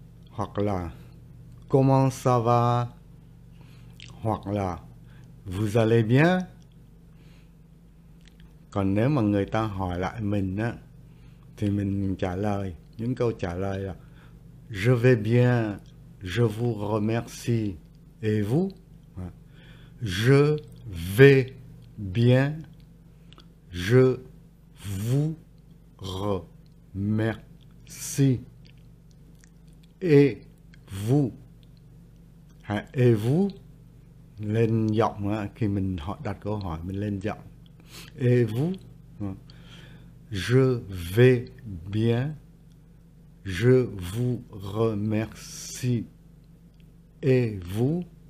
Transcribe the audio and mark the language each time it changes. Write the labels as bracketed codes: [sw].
[vi] Hoặc là [fr] comment ça va? Hoặc là vous allez bien? [vi] Còn nếu mà người ta hỏi lại mình á thì mình trả lời những câu trả lời là [fr] je vais bien, je vous remercie, et vous? Je vais bien, je vous remercie, et vous? Et vous [vi] lên giọng á, khi mình họ đặt câu hỏi mình lên giọng. [fr] Et vous? Je vais bien. Je vous remercie. Et vous?